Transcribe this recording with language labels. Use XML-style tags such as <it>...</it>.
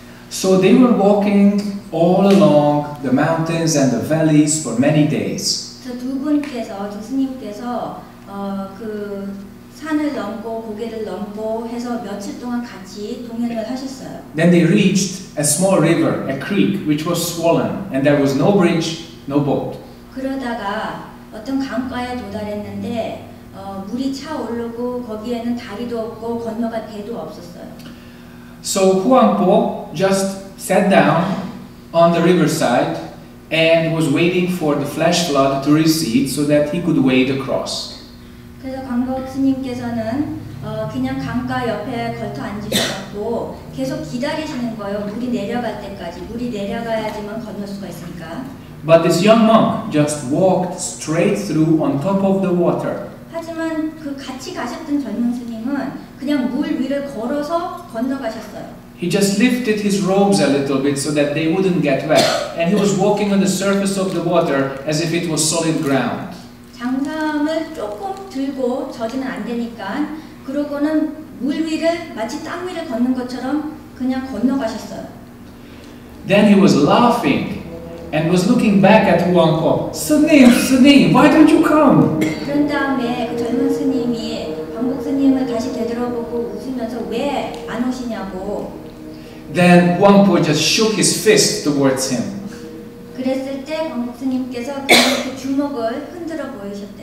<en>So they were walking all along the mountains and the valleys for many days.</en> <ko>두 분께서, 두 스님께서 그 산을 넘고 고개를 넘고 해서 며칠 동안 같이 동행을 하셨어요.</ko> <en>Then they reached a small river, a creek, which was swollen, and there was no bridge, no boat.</en> <ko>그러다가 어떤 강가에 도달했는데 물이 차오르고 거기에는 다리도 없고 건너갈 배도 없었어요.</ko> <en>So Huang Po just sat down on the riverside and was waiting for the flash flood to recede so that he could wade across.</en> <ko>그래서 광복 스님께서는 그냥 강가 옆에 걸터 앉으셨고 계속 기다리시는 거예요. 물이 내려갈 때까지. 물이 내려가야지만 건널 수가 있으니까.</ko> <en>But this young monk just walked straight through on top of the water.</en> <ko>하지만 그 같이 가셨던 젊은 스님은 그냥 물 위를 걸어서 건너가셨어요.</ko> <en>He just lifted his robes a little bit so that they wouldn't get wet, and he was walking on the surface of the water as if it was solid ground.</en> <ko>장삼을 조금 들고 젖으면 안 되니까 그러고는 물 위를 마치 땅 위를 걷는 것처럼 그냥 건너가셨어요.</ko> <en>Then he was laughing and was looking back at Huang Po. Sunim, Sunim, why don't you come?</en> <ko>그런 다음에 그 젊은 스님이 광복 스님을 다시 되돌아보고 웃으면서 왜 안 오시냐고.</ko> <en>Then Huang Po just shook his fist towards him.</en> <ko>그랬을 때 광복 스님께서 그 주먹을 흔들어 보이셨대.</ko>